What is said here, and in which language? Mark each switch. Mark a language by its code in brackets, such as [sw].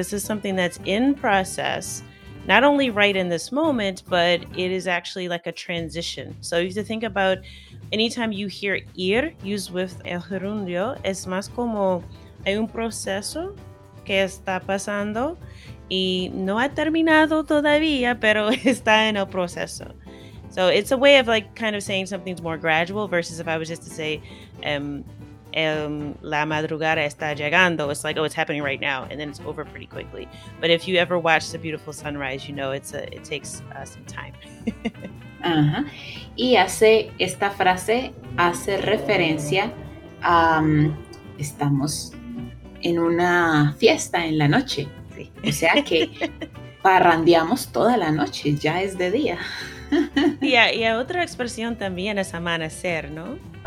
[en] This is something that's in process, not only right in this moment, but it is actually like a transition. So you have to think about anytime you hear ir, used with [es] el gerundio, es más como hay un proceso que está pasando y no ha terminado todavía, pero está en el proceso. [en] So it's a way of like kind of saying something's more gradual versus if I was just to say [es] la madrugada está llegando. [en] It's like, oh, it's happening right now, and then it's over pretty quickly. But if you ever watch the beautiful sunrise, you know it takes some time. [es] Y hace, esta frase hace referencia a estamos en una fiesta en la noche. Sí. O sea que parrandeamos toda la noche, ya es de día. Y a otra expresión también es amanecer, ¿no?